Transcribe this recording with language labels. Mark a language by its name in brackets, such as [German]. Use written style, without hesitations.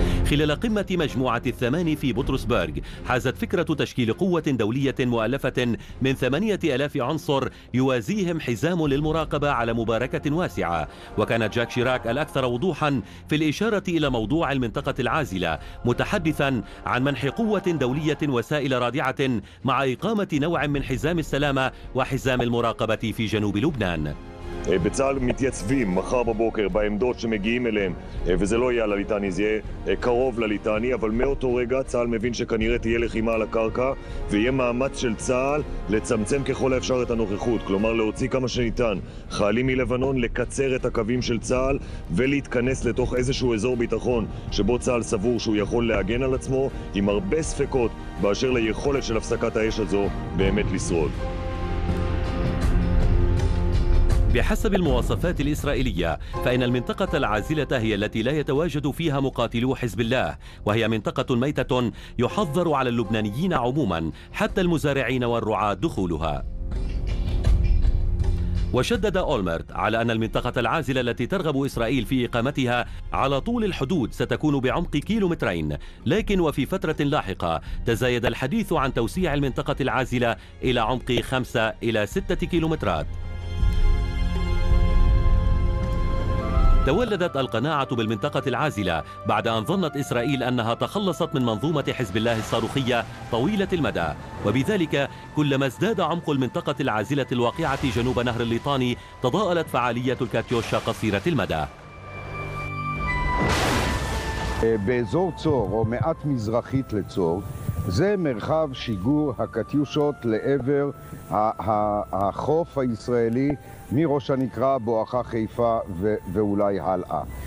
[Arabic] خلال قمة مجموعة الثمان في بطرسبرغ حازت فكرة تشكيل قوة دولية مؤلفة من 8000 عنصر يوازيهم حزام للمراقبة على مباركة واسعة. وكان جاك شيراك الأكثر وضوحا في الإشارة إلى موضوع المنطقة العازلة متحدثا عن منح قوة دولية وسائل رادعة مع إقامة نوع من حزام السلامة وحزام المراقبة في جنوب لبنان. [Hebrew] בצהל מתייצבים מחר בבוקר בעמדות שמגיעים אליהם, וזה לא יהיה לליטני, זה יהיה קרוב לליטני, אבל מאותו רגע צהל מבין שכנראה תהיה לחימה על הקרקע, ויהיה מאמץ של צהל לצמצם ככל האפשר את הנוכחות, כלומר להוציא כמה שניתן חיילים מלבנון, לקצר את הקווים של צהל ולהתכנס לתוך איזשהו אזור ביטחון שבו צהל סבור שהוא יכול להגן על עצמו, עם הרבה ספקות באשר ליכולת של הפסקת האש הזו באמת לשרוד. [Arabic] بحسب المواصفات الإسرائيلية فإن المنطقة العازلة هي التي لا يتواجد فيها مقاتلو حزب الله، وهي منطقة ميتة يحظر على اللبنانيين عموما حتى المزارعين والرعاة دخولها. وشدد أولمرت على أن المنطقة العازلة التي ترغب إسرائيل في إقامتها على طول الحدود ستكون بعمق كيلومترين، لكن وفي فترة لاحقة تزايد الحديث عن توسيع المنطقة العازلة إلى عمق 5 إلى 6 كيلومترات. تولدت القناعة بالمنطقة العازلة بعد أن ظنت إسرائيل أنها تخلصت من منظومة حزب الله الصاروخية طويلة المدى. وبذلك كلما ازداد عمق المنطقة العازلة الواقعة جنوب نهر الليطاني تضاءلت فعالية الكاتيوشا قصيرة المدى. [Hebrew] באזור צור או מעט מזרחית לצור, זה מרחב שיגור הקטיושות לעבר החוף הישראלי מראש הנקרה, בואכה חיפה ואולי הלאה.